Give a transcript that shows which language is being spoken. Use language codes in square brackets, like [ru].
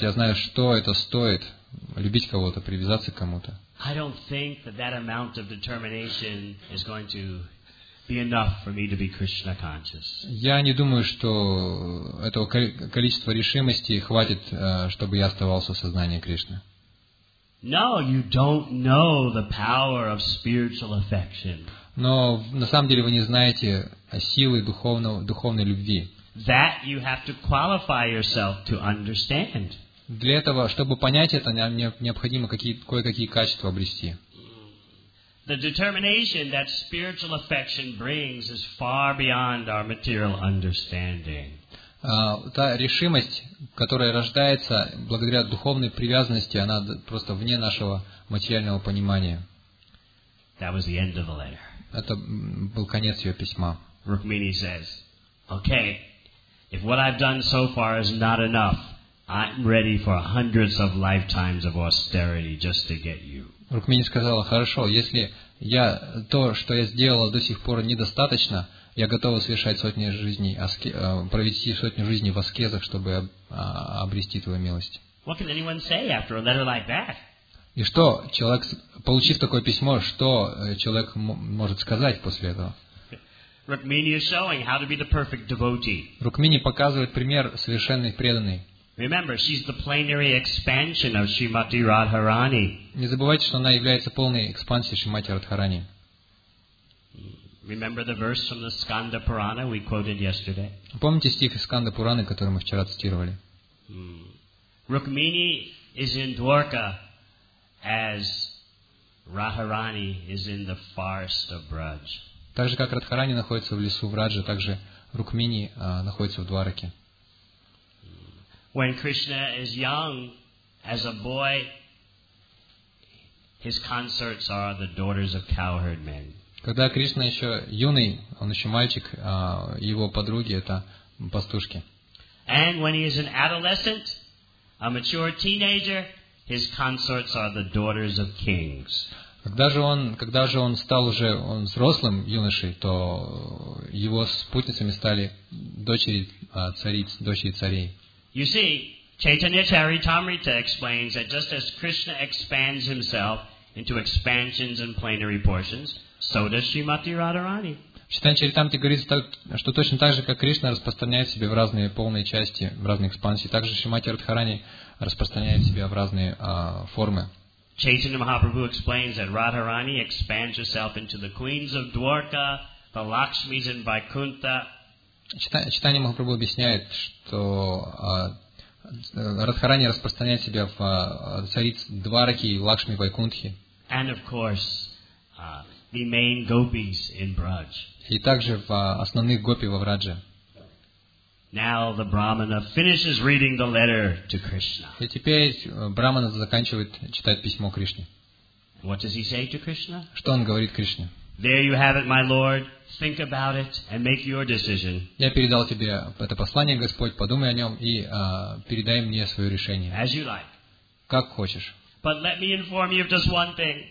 [ru] Я знаю, что это стоит, любить кого-то, привязаться к кому-то. [en] I don't think that that amount of determination is going to be enough for me to be Krishna conscious. [ru] Я не думаю, что этого количества решимости хватит, чтобы я оставался в сознании Кришны. [en] No, you don't know the power of spiritual affection. [ru] Но на самом деле вы не знаете силы духовной любви. [en] That you have to qualify yourself to understand. [ru] Для этого, чтобы понять это, нам необходимо кое-какие качества обрести. [en] The determination that spiritual affection brings is far beyond our material understanding. [ru] Та решимость, которая рождается благодаря духовной привязанности, она просто вне нашего материального понимания. [en] That was the end of the letter. [ru] Это был конец ее письма. [en] Rukmini says, "Okay, if what I've done so far is not enough, I'm ready for hundreds of lifetimes of austerity just to get you." [ru] Rukmini сказала: "Хорошо, если я то, что я сделала до сих пор недостаточно, я готова совершать сотни жизней, провести сотни жизней в аскезах, чтобы обрести твою милость." [en] What can anyone say after a letter like that? [ru] И что, человек, получив такое письмо, что человек может сказать после этого? [en] Rukmini is showing how to be the perfect devotee. [ru] Rukmini показывает пример совершенной преданной. [en] Remember, she's the plenary expansion of Srimati Radharani. [ru] Не забывайте, что она является полной экспансией Шримати Радхарани. [en] Remember the verse from the Skanda Purana we quoted yesterday? [ru] Помните стих из Сканда Пураны, который мы вчера цитировали? [en] Rukmini is in Dwarka. As Radharani is in the forest of Braj. [ru] Так же как Радхарани находится в лесу Враджа, так же Рукмини находится в Двараке. [en] When Krishna is young, as a boy, his consorts are the daughters of cowherd men. [ru] Когда Кришна еще юный, он еще мальчик, его подруги это пастушки. [en] And when he is an adolescent, a mature teenager, his consorts are the daughters of kings. [ru] Когда же он стал уже он взрослым юношей, то его спутницами стали дочери цариц, дочери царей. [en] You see, Chaitanya Charitamrita explains that just as Krishna expands himself into expansions and planetary portions, so does Srimati Radharani. [ru] Chaitanya Charitamrita говорит, что точно так же, как Кришна распространяет себя в разные полные части, в разные экспансии, так же Шримати Радхарани распространяет себя в разные формы. [en] Chaitanya Mahaprabhu explains that Radharani expands herself into the queens of Dwarka, the Lakshmis in Vaikuntha. [ru] Chaitanya Mahaprabhu объясняет, что Радхарани распространяет себя в цариц Двараки и Лакшми Вайкунтхи. [en] And of course, the main gopis in Braj. [ru] И также в основных гопи во Врадже. [en] Now the brahmana finishes reading the letter to Krishna. [ru] И теперь брахмана заканчивает читать письмо Кришне. [en] What does he say to Krishna? [ru] Что он говорит Кришне? [en] There you have it, my lord. Think about it and make your decision. [ru] Я передал тебе это послание, Господь, подумай о нем и передай мне свое решение. [en] As you like. [ru] Как хочешь. [en] But let me inform you of just one thing.